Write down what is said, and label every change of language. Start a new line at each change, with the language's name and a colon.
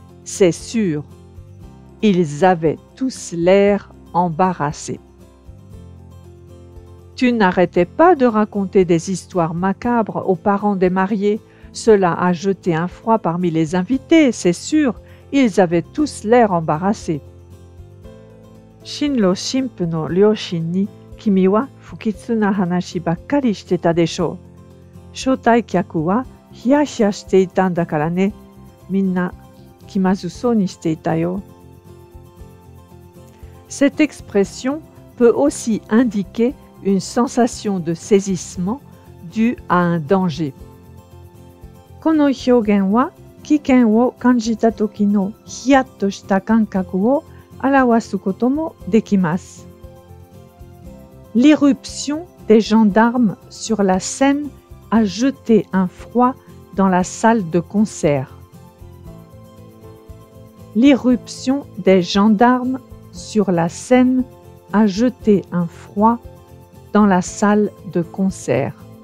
French: C'est sûr, ils avaient tous l'air embarrassés. Tu n'arrêtais pas de raconter des histoires macabres aux parents des mariés. Cela a jeté un froid parmi les invités, c'est sûr, ils avaient tous l'air embarrassés.
Japanese: 新郎新婦の両親に君は不吉な話ばっかりしてたでしょう。招待客はヒヤヒヤしていたんだからね。みんな気まずそうにしていたよ。
French: Cette expression peut aussi indiquer une sensation de saisissement due à un danger.
Japanese: この表現は危険を感じた時のヒヤッとした感覚を表すこともできます。
French: L'irruption des gendarmes sur la scène a jeté un froid dans la salle de concert. L'irruption des gendarmes sur la scène a jeté un froid dans la salle de concert.